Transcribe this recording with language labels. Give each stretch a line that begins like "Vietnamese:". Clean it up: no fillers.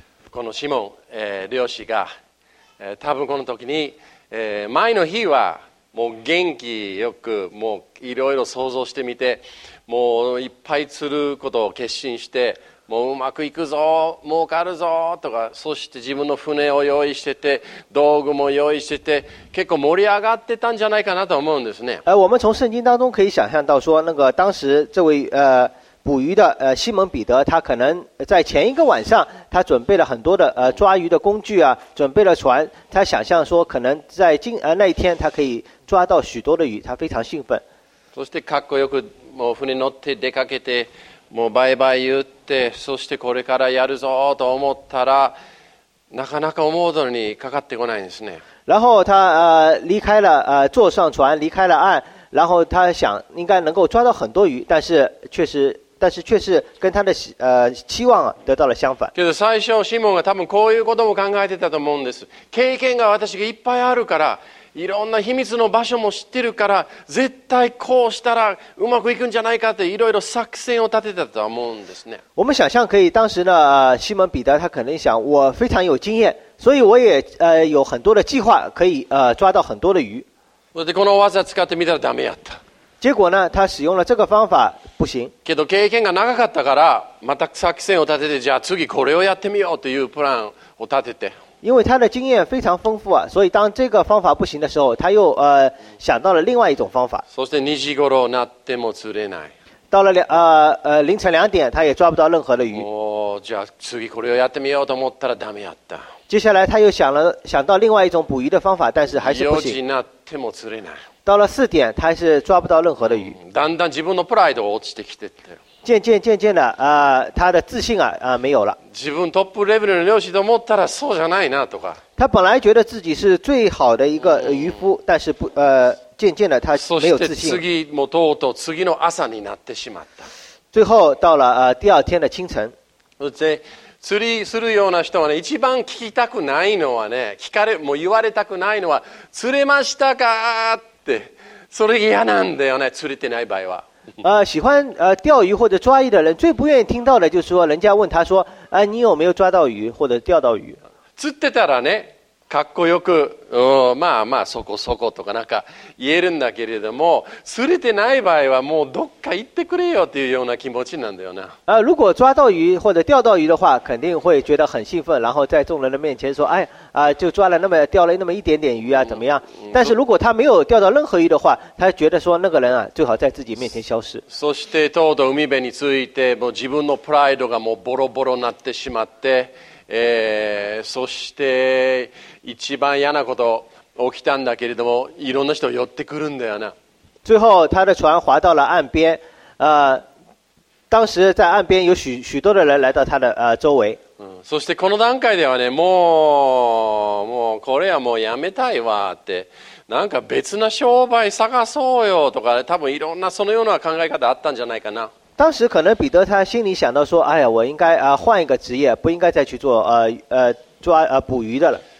Japanese: このシモン、漁師が、多分この時に前の日はもう元気よく、もういろいろ想像してみて、もういっぱい釣ることを決心して、もううまくいくぞ、儲かるぞとか、そして自分の船を用意してて、道具も用意してて、結構盛り上がってたんじゃないかなと思うんですね。
Chinese: 我们从圣经当中可以想象到说，那个当时这位捕鱼的西门彼得，他可能在前一个晚上他准备了很多的抓鱼的工具啊，准备了船，他想象说可能在那一天他可以抓到许多的鱼，他非常兴奋。
Japanese: そしてかっこよくもう船乗って出かけて、もうバイバイ言って、そしてこれからやるぞと思ったら、なかなか思う通りにかかってこないんですね。
Chinese: 然后他离开了坐上船离开了岸，然后他想应该能够抓到很多鱼，但是却是跟他的期望得到了相反。
Japanese: けど最初シモンが多分こういうことも考えてたと思うんです。経験が私がいっぱいあるから、いろんな秘密の場所も知ってるから、絶対こうしたらうまくいくんじゃないかっていろいろ作戦を立てたと思うんですね。
Chinese: 我们想象可以，当时呢，西门彼得他可能想，我非常有经验，所以我也有很多的计划，可以抓到很多的鱼。
Japanese: でこの技使ってみたらダメやった。
Chinese: 结果呢，他使用了这个方法不行。
Japanese: けど経験が長かったから、また作戦を立てて、じゃあ次これをやってみようというプランを立てて。
Chinese: 因为他的经验非常丰富啊，所以当这个方法不行的时候，他又想到了另外一种方法。
Japanese: そして2時頃なっても釣れない。
Chinese: 到了凌晨两点，他也抓不到任何的鱼。
Japanese: おお、じゃあ次これをやってみようと思ったらダメやった。
Chinese: 接下来他又想到另外一种捕鱼的方法，但是还是不行。
Japanese: 4時なっても釣れない。
Chinese: 到了四点，他还是抓不到任何的鱼。
Japanese: だんだん自分のプライド落ちてきてって。
Chinese: 渐渐的，他的自信没有了。
Japanese: 自分トップレベルの漁師と思ったらそうじゃないなとか。
Chinese: 他本来觉得自己是最好的一个渔夫，但是不渐渐的他没有自信。
Japanese: そして次もとうとう次の朝になってしまった。
Chinese: 最后到了第二天的清晨。
Japanese: で釣りするような人はね、一番聞きたくないのはね、聞かれもう言われたくないのは釣れましたかって、それ嫌なんだよね、釣れてない場合は。
Chinese: 喜欢钓鱼或者抓鱼的人最不愿意听到的就是说，人家问他说，你有没有抓到鱼或者钓到鱼？
Japanese: 釣ってたらね、かっこよく、まあまあそこそことかなんか言えるんだけれども、釣れてない場合はもうどっか行ってくれよというような気持ちなんだよな。
Chinese: 如果抓到鱼或者钓到鱼的话，肯定会觉得很兴奋，然后在众人的面前说，哎，就抓了那么钓了那么一点点鱼啊，怎么样？但是如果他没有钓到任何鱼的话，他觉得说那个人啊，最好在自己面前消失。
Japanese: そしてとうとう海辺について、もう自分のプライドがもうボロボロなってしまって。そして一番嫌なこと起きたんだけれども、いろんな人寄ってくるんだよな。
Chinese: 最後、他的船滑到了岸边。当时在岸边有许多的人来到他的周围。
Japanese: そしてこの段階ではね、もうこれはもうやめたいわって、なんか別な商売探そうよとか、多分いろんなそのような考え方あったんじゃないかな。
Chinese: 当时可能彼得他心里想到说，哎呀，我应该换一个职业，不应该再去做抓捕鱼的了。